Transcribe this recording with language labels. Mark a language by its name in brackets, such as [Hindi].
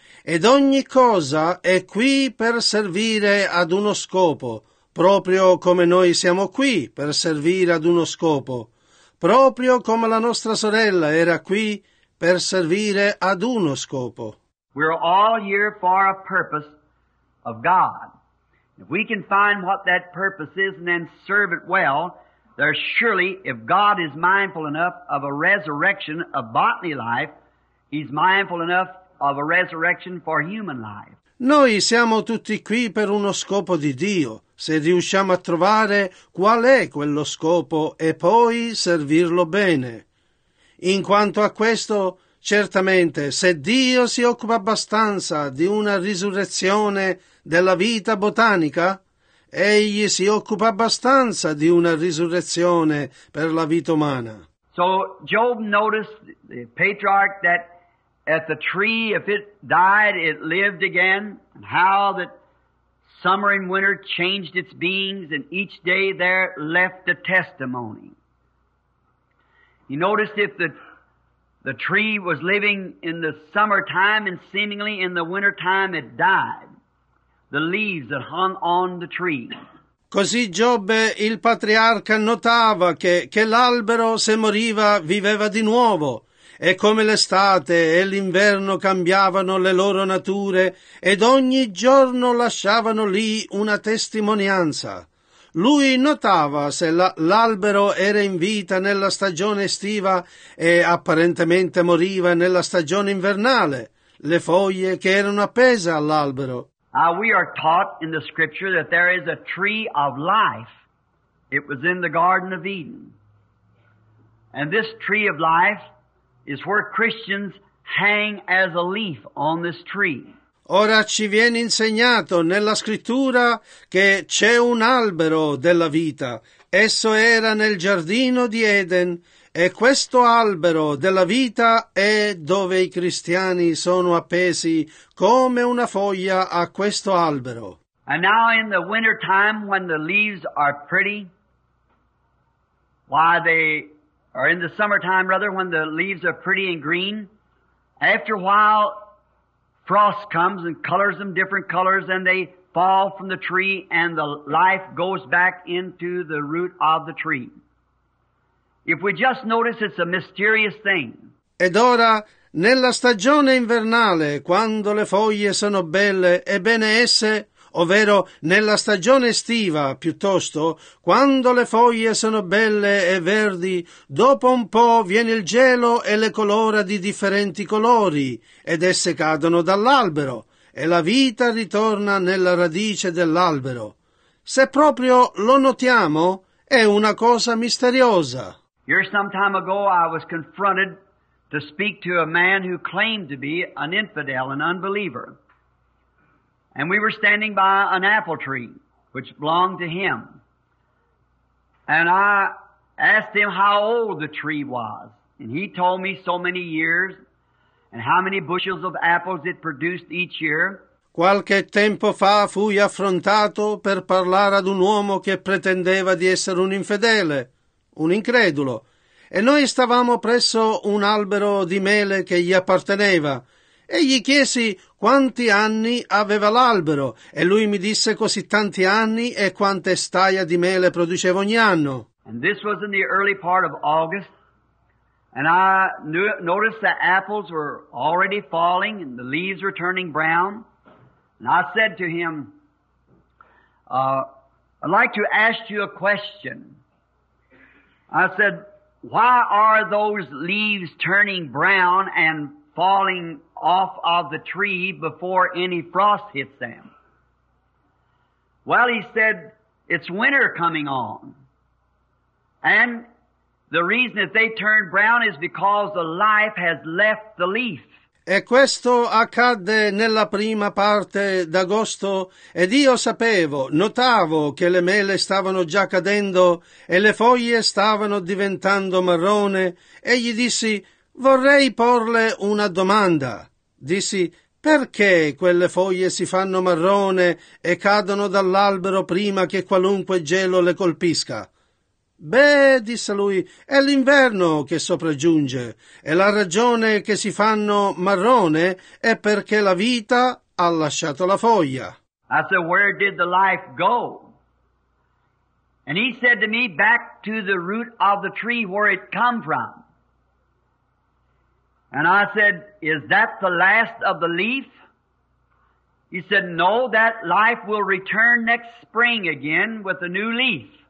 [Italian] Ed ogni cosa è qui per servire ad uno scopo, proprio come noi siamo qui per servire ad uno scopo, proprio come la nostra sorella era qui per servire ad uno scopo. [English] We're all here for a purpose of God. If we can find what that purpose is and then serve it well, there's surely, if God is mindful enough of a resurrection of bodily life, he's mindful enough of a resurrection for human life. [Italian] Noi siamo tutti qui per uno scopo di Dio. Se riusciamo a trovare qual è quello scopo e poi servirlo bene. In quanto a questo, certamente, se Dio si occupa abbastanza di una risurrezione della vita botanica, egli si occupa abbastanza di una risurrezione per la vita umana. [English] So Job noticed the patriarch that at the tree, if it died, it lived again, and how that summer and winter changed its beings, and each day there left a testimony. He noticed if the tree was living in the summertime and seemingly in the wintertime it died, the leaves that hung on the tree. [Italian] Così Giobbe, il patriarca, notava che l'albero, se moriva, viveva di nuovo. E come l'estate e l'inverno cambiavano le loro nature, ed ogni giorno lasciavano lì una testimonianza. Lui notava se l'albero era in vita nella stagione estiva e apparentemente moriva nella stagione invernale, le foglie che erano appese all'albero. [English] We are taught in the scripture that there is a tree of life. It was in the Garden of Eden. And this tree of life is where Christians hang as a leaf on this tree. [Italian] Ora ci viene insegnato nella scrittura che c'è un albero della vita. Esso era nel giardino di Eden, e questo albero della vita è dove i cristiani sono appesi come una foglia a questo albero. [English] And now in the winter time when the leaves are pretty, why they or in the summertime, rather, when the leaves are pretty and green, after a while, frost comes and colors them different colors, and they fall from the tree, and the life goes back into the root of the tree. If we just notice, it's a mysterious thing. [Italian] Ed ora, nella stagione invernale, quando le foglie sono belle, ebbene esse, ovvero nella stagione estiva, piuttosto, quando le foglie sono belle e verdi, dopo un po' viene il gelo e le colora di differenti colori, ed esse cadono dall'albero, e la vita ritorna nella radice dell'albero. Se proprio lo notiamo, è una cosa misteriosa. [English] Here some time ago I was confronted to speak to a man who claimed to be an infidel, an unbeliever. And we were standing by an apple tree, which belonged to him. And I asked him how old the tree was. And he told me so many years, and how many bushels of apples it produced each year. [Italian] Qualche tempo fa fui affrontato per parlare ad un uomo che pretendeva di essere un infedele, un incredulo. E noi stavamo presso un albero di mele che gli apparteneva. E gli chiesi quanti anni aveva l'albero, e lui mi disse così tanti anni e quante staia di mele produceva ogni anno. [English] And this was in the early part of August, and I noticed the apples were already falling and the leaves were turning brown. And I said to him, I'd like to ask you a question. I said, why are those leaves turning brown and falling off of the tree before any frost hits them? Well, he said, it's winter coming on. And the reason that they turn brown is because the life has left the leaf. [Italian] E questo accadde nella prima parte d'agosto, ed io sapevo, notavo che le mele stavano già cadendo e le foglie stavano diventando marrone, e gli dissi, vorrei porle una domanda. Dissi, perché quelle foglie si fanno marrone e cadono dall'albero prima che qualunque gelo le colpisca? Beh, disse lui, è l'inverno che sopraggiunge, e la ragione che si fanno marrone è perché la vita ha lasciato la foglia. [English] I said, where did the life go? And he said to me, back to the root of the tree where it come from. And I said, is that the last of the leaf? He said, no, that life will return next spring again with a new leaf.